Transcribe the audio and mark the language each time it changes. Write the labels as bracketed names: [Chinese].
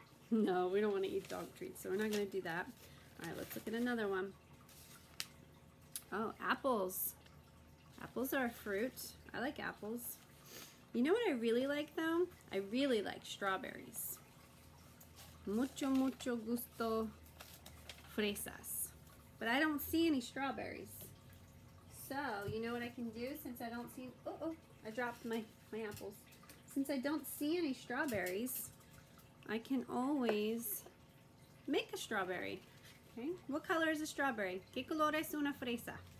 [English] No, we don't wanna eat dog treats, so we're not gonna do that. All right, let's look at another one. Oh, apples. Apples are a fruit. I like apples. You know what I really like though? I really like strawberries. [Spanish] Mucho, mucho gusto fresas. [English] But I don't see any strawberries. So, you know what I can do since I don't see... I dropped my apples. Since I don't see any strawberries, I can always make a strawberry. Okay, what color is a strawberry? [Spanish] ¿Qué color es una fresa?